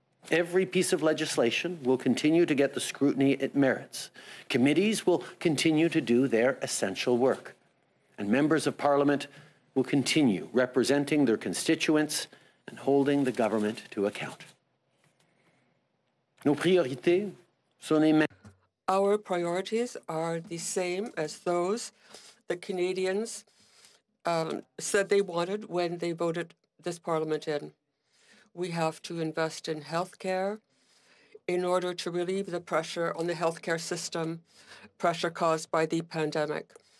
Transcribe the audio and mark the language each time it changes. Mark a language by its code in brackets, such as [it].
[en] Every piece of legislation will continue to get the scrutiny it merits. Committees will continue to do their essential work. And members of Parliament will continue representing their constituents and holding the government to account. [fr] Nos priorités sont les mêmes. [en] Our priorities are the same as those that Canadians said they wanted when they voted this Parliament in. We have to invest in healthcare in order to relieve the pressure on the healthcare system, pressure caused by the pandemic.